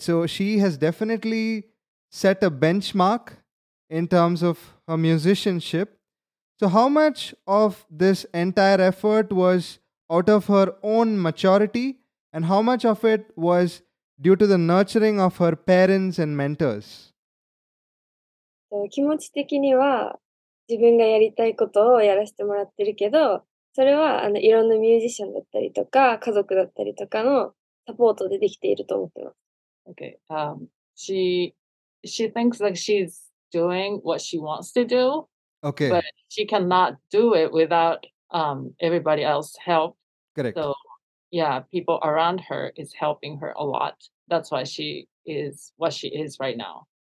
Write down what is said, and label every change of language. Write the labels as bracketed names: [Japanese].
[English] So she has definitely set a benchmark in terms of her musicianship. So how much of this entire effort was out of her own maturity and how much of it was due to the nurturing of her parents and mentors? [Japanese] 気持ち的には自分がやりたいことをやらせてもらってるけど、それはいろんなミュージシャンだったりとか、家族だったりとかのサポートでできていると思ってます。 [English] Okay. She thinks like she's doing what she wants to do. Okay. But she cannot do it without everybody else's help. Correct. So, yeah, people around her is helping her a lot. That's why she is what she is right now.